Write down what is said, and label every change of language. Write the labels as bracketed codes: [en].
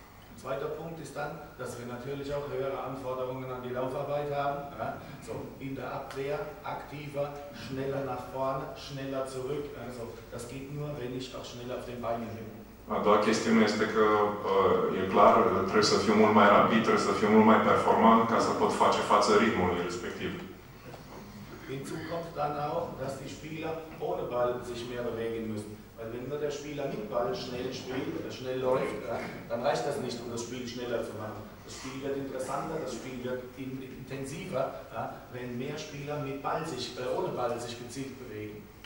[ro] Un [de] zweiter [ro] punct este [de] dann, dass wir natürlich auch höhere Anforderungen an die Laufarbeit haben. Ja? So, in der Abwehr, aktiver, schneller nach vorne, schneller zurück. Also, das geht nur, wenn ich auch schnell auf den Beinen bin. [ro] A doua chestiune este că e clar, trebuie să fiu mult mai rapid, trebuie să fiu mult mai performant ca să pot face față ritmului respectiv. [de] Hinzu kommt dann auch, dass die Spieler ohne Ball sich mehr bewegen müssen. Weil wenn nur der Spieler mit Ball schnell spielt, schnell läuft, dann reicht das nicht, um das Spiel schneller zu machen. Das Spiel wird interessanter, das Spiel wird intensiver, wenn mehr Spieler mit Ball sich, ohne Ball sich gezielt bewegen.